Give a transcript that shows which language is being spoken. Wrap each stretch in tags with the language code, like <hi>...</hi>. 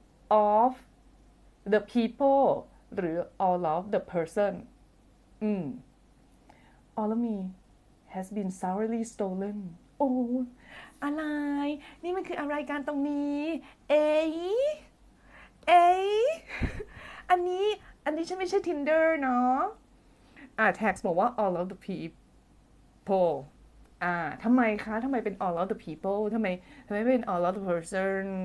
<en>of the people</en> <th>หรือ</th> <en>all of the person All of me has been thoroughly stolen</en> <th>โอ้อะไรนี่มันคืออะไรการตรงนี้เอ๊ยเอ๊ยอันนี้อันนี้ฉันไม่ใช่ Tinder เนาะ แท็กซ์บอกว่า</th> <en>all of the people</en> <th>ทำไมคะทำไมเป็น all of the people ทำไมเป็น</th> <en>all of the person</en>